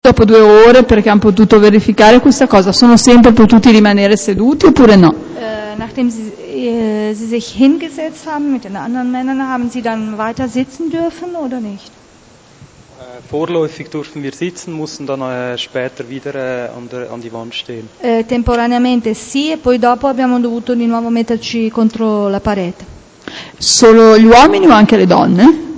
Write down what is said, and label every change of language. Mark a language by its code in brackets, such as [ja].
[it] dopo 2 ore, perché hanno potuto verificare questa cosa, sono sempre potuti rimanere seduti oppure no? [de] Nachdem sie sich hingesetzt haben mit den anderen Männern, haben sie dann weiter sitzen dürfen oder nicht? Vorläufig durften wir sitzen, mussten dann später wieder an die Wand stehen. [it] Temporaneamente sì, e poi dopo abbiamo dovuto di nuovo metterci contro la parete. Solo gli uomini o anche le donne?